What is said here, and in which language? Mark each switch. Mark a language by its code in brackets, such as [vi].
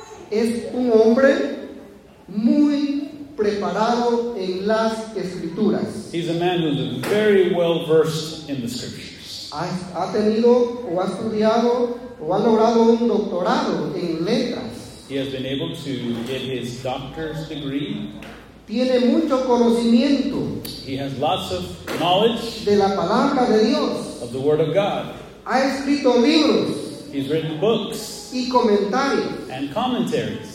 [es] Es un hombre muy preparado en las escrituras. [en] He's a man who's very well versed in the scriptures. [es] Ha tenido o ha estudiado o ha logrado un doctorado en letras. [en] He has been able to get his doctor's degree. [es] Tiene mucho conocimiento. [en] He has lots of knowledge [es] de la palabra de Dios. [en] Of the word of God. [es] Ha escrito libros. [en] He's written books. [es] Y comentarios. [en] And commentaries.